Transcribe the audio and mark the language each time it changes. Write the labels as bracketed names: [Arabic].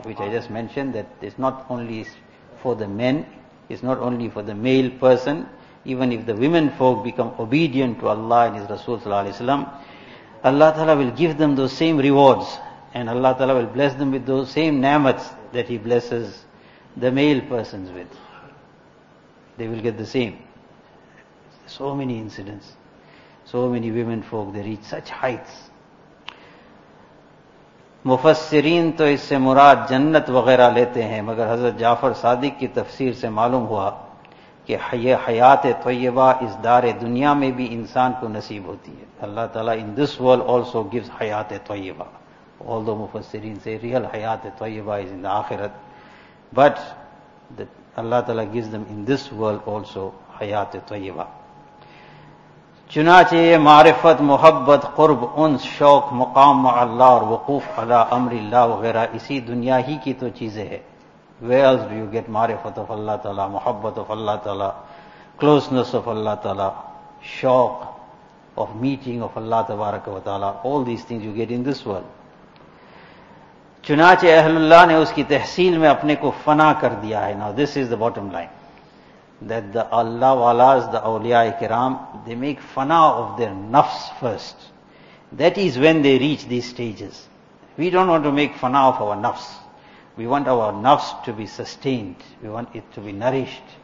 [English] Which I just mentioned, that it's not only for the men, it's not only for the male person, even if the women folk become obedient to Allah and His Rasul صلی اللہ علیہ وسلم, Allah Ta'ala will give them those same rewards, and Allah Ta'ala will bless them with those same ni'mats that He blesses the male persons with. They will get the same. So many incidents, so many women folk, they reach such heights. [Urdu] مفسرین تو اس سے مراد جنت وغیرہ لیتے ہیں, مگر حضرت جعفر صادق کی تفسیر سے معلوم ہوا کہ یہ حیات طیبہ اس دار دنیا میں بھی انسان کو نصیب ہوتی ہے. [English] اللہ تعالیٰ in this world also gives حیات طیبہ, although مفسرین say real حیات طیبہ is in the آخرت, but that اللہ تعالیٰ gives them in this world also حیات طیبہ. [Urdu] چنانچہ یہ معرفت, محبت, قرب, انس, شوق, مقام مع اللہ اور وقوف على امر اللہ وغیرہ, اسی دنیا ہی کی تو چیزیں ہیں. [English] Where else do you get معرفت of اللہ تعالیٰ, محبت of اللہ تعالیٰ, closeness of اللہ تعالیٰ, شوق of meeting of اللہ تبارک و تعالیٰ, all these things you get in this world. [Urdu] چنانچہ اہل اللہ نے اس کی تحصیل میں اپنے کو فنا کر دیا ہے. [English] Now this is the bottom line. That the Allah Walas, the Awliya-e-Kiram, they make fana of their nafs first. That is when they reach these stages. We don't want to make fana of our nafs. We want our nafs to be sustained. We want it to be nourished.